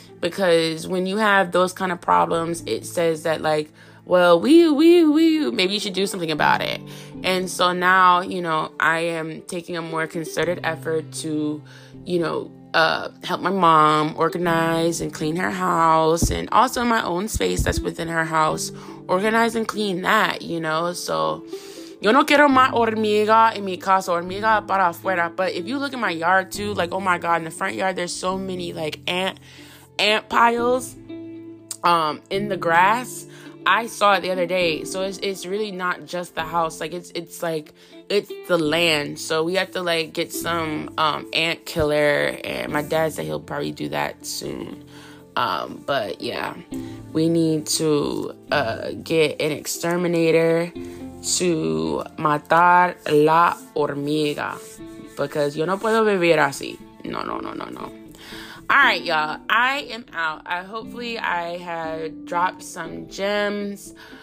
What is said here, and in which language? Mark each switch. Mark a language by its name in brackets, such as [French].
[English] Because when you have those kind of problems, it says that like, well, maybe you should do something about it. And so now, you know, I am taking a more concerted effort to, you know, help my mom organize and clean her house, and also my own space that's within her house, organize and clean that, you know. [Spanish] So yo no quiero más hormiga en mi casa, hormiga para afuera. [English] But if you look in my yard too, like, oh my God, in the front yard, there's so many like ant piles in the grass. I saw it the other day. So it's really not just the house. Like, it's like, it's the land. So we have to like get some ant killer. And my dad said he'll probably do that soon. But yeah, we need to get an exterminator to [Spanish] matar la hormiga. [English] Because [Spanish] yo no puedo vivir así. [English] No. All right, y'all, I am out. Hopefully I have dropped some gems.